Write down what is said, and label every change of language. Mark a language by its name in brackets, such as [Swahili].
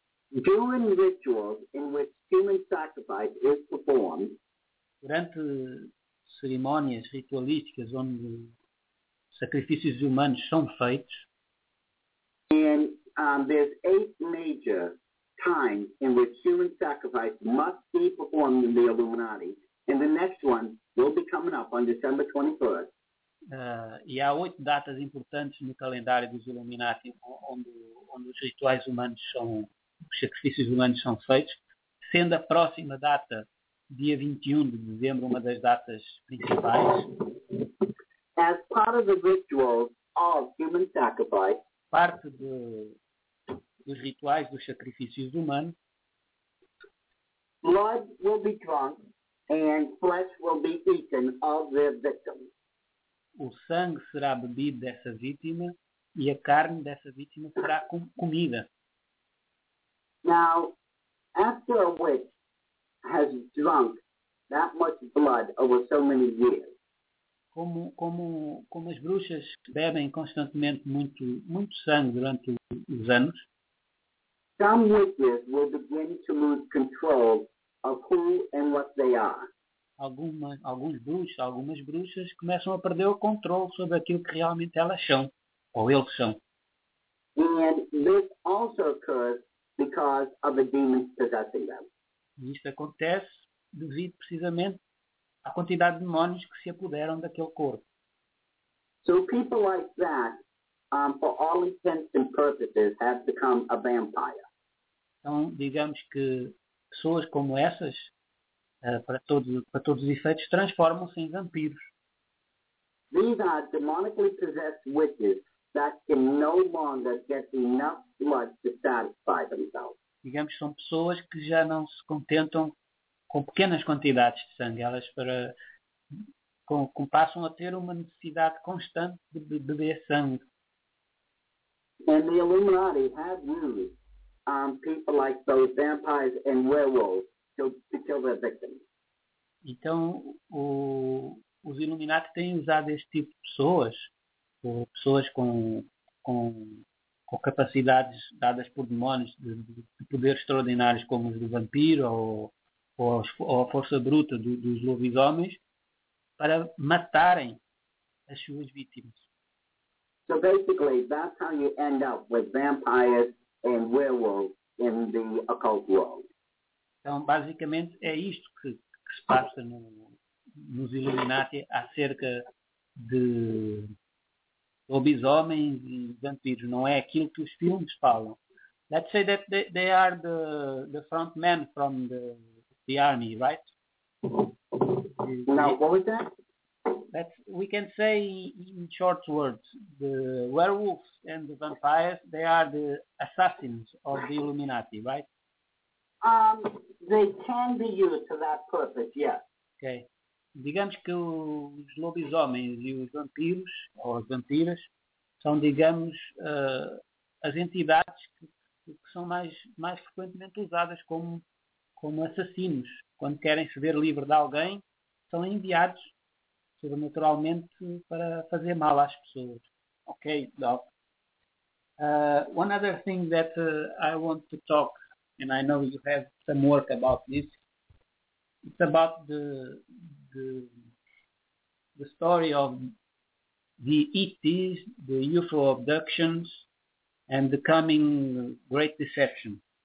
[English] During rituals in which human sacrifice is performed, [Portuguese] durante cerimónias ritualísticas onde sacrifícios humanos são feitos, [English] and there's eight major times in which human sacrifice must be performed in the Illuminati, and the next one will be coming up on December 21st. [Portuguese] E há oito datas importantes no calendário dos Illuminati onde os rituais humanos os sacrifícios humanos são feitos, sendo a próxima data dia 21 de dezembro uma das datas principais. [English] As part of the ritual of human sacrifice, [Portuguese] parte dos rituais dos sacrifícios humanos, [English] blood will be drunk and flesh will be eaten of their victims. [Portuguese] O sangue será bebido dessa vítima e a carne dessa vítima será comida. [English] Now, after a witch has drunk that much blood over so many years, [Portuguese] como as bruxas que bebem constantemente muito sangue durante os anos, [English] some witches will begin to lose control of who and what they are. [Portuguese] Algumas bruxas começam a perder o controle sobre aquilo que realmente elas são, ou eles são. [English] And this also occurs because of the demons possessing them. [Portuguese] E isto acontece devido precisamente à quantidade de demônios que se apoderam daquele corpo. [English] So people like that, for all intents and purposes, have become a vampire. [Portuguese] Então, digamos que pessoas como essas, para todos os efeitos, transformam-se em vampiros. [English] These are demonically possessed witches that can no longer get enough blood to satisfy themselves. [Portuguese] Digamos que são pessoas que já não se contentam com pequenas quantidades de sangue. Elas passam a ter uma necessidade constante de beber sangue. [English] And the Illuminati have used people like those vampires and werewolves to kill their victims. [Portuguese] Então, os Illuminati têm usado este tipo de pessoas, ou pessoas com capacidades dadas por demónios de poderes extraordinários como os do vampiro ou a força bruta dos lobisomens, para matarem as suas vítimas. [English] So basically, that's how you end up with vampires and werewolves in the occult world. [Portuguese] Então, basicamente, é isto que se passa nos Illuminati acerca de lobisomens e vampiros. Não é aquilo que os filmes falam. [English] Let's say that they are the front men from the army, right? Now, what was that? We can say in short words, the werewolves and the vampires, they are the assassins of the Illuminati, right? They can be used for that purpose, yes. Okay. [Portuguese] Digamos que os lobisomens e os vampiros, ou as vampiras, são, digamos, as entidades que são mais frequentemente usadas como assassinos. Quando querem se ver livre de alguém, são enviados, sobrenaturalmente, para fazer mal às pessoas. [English] Ok, Doc. One other thing that I want to talk, and I know you have some work about this, it's about the story of the ETs, the UFO abductions, and the coming Great Deception.